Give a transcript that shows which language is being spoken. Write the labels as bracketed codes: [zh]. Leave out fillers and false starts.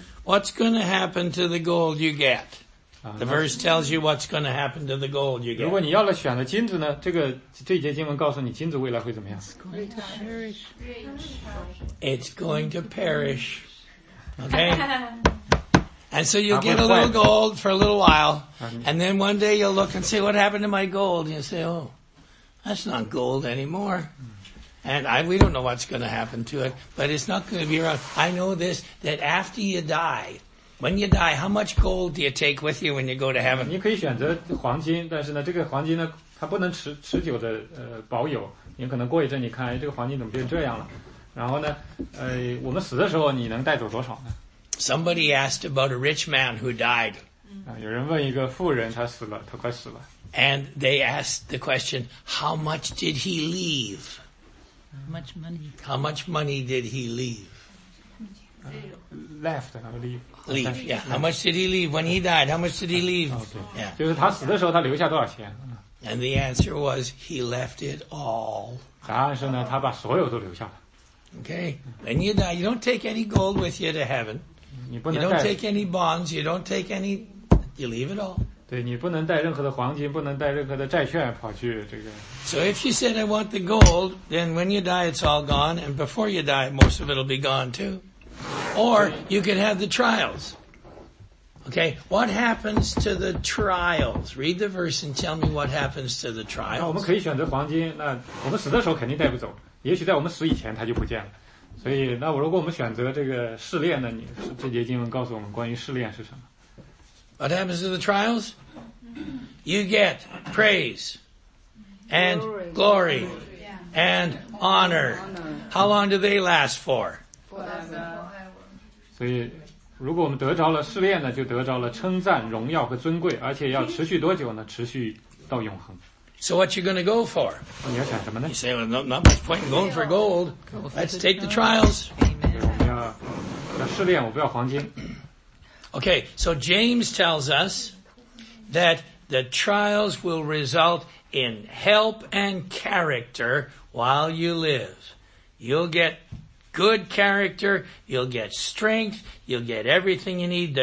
[en] What's going to happen to the gold you get? The verse tells you what's going to happen to the gold you get. [zh] 如果你要了选了金子呢，这一节经文告诉你金子未来会怎么样。 [en] It's going to perish. Okay? And so you'll get a little gold for a little while. And then one day you'll look and say, what happened to my gold? And you'll say, oh, that's not gold anymore. And we don't know what's going to happen to it, but it's not going to be around. I know this, that after you die, when you die, how much gold do you take with you when you go to heaven? [zh] 你可以选择黄金，但是呢，这个黄金呢，它不能持久的保有。你可能过一阵，你看，这个黄金怎么变这样了？然后呢，我们死的时候，你能带走多少呢？ [en] Somebody asked about a rich man who died. [zh] 有人问一个富人，他死了，他快死了。 [en] And they asked the question, how much did he leave? How much money did he leave? Left, I believe. Leave, yeah. How much did he leave when he died? How much did he leave? Okay. Yeah. [zh] 就是他死的时候他留下多少钱? [en] And the answer was, he left it all. [zh] 答案是呢，他把所有都留下了。 [en] Okay. When you die, you don't take any gold with you to heaven. [zh] 你不能带, [en] you don't take any bonds, you don't take any, you leave it all. [zh] 对，你不能带任何的黄金，不能带任何的债券跑去这个。 [en] So if you said I want the gold, then when you die, it's all gone, and before you die, most of it'll be gone too. Or you could have the trials. Okay, what happens to the trials? Read the verse and tell me what happens to the trials. [zh] 那我们可以选择黄金，那我们死的时候肯定带不走，也许在我们死以前它就不见了。所以，那我如果我们选择这个试炼呢？你这节经文告诉我们关于试炼是什么？ [en] What happens to the trials? You get praise and glory and honor. How long do they last for? Forever. So [zh] 所以如果我们得着了试炼呢，就得着了称赞、荣耀和尊贵，而且要持续多久呢？持续到永恒。 [en] So what you going to go for? [zh] 你要想什么呢？ [en] You say, well, not much point in going for gold. Let's take the trials. [zh] 我们要试炼，我不要黄金。 [en] Okay, so James tells us that the trials will result in help and character while you live. You'll get good character, you'll get strength, you'll get everything you need.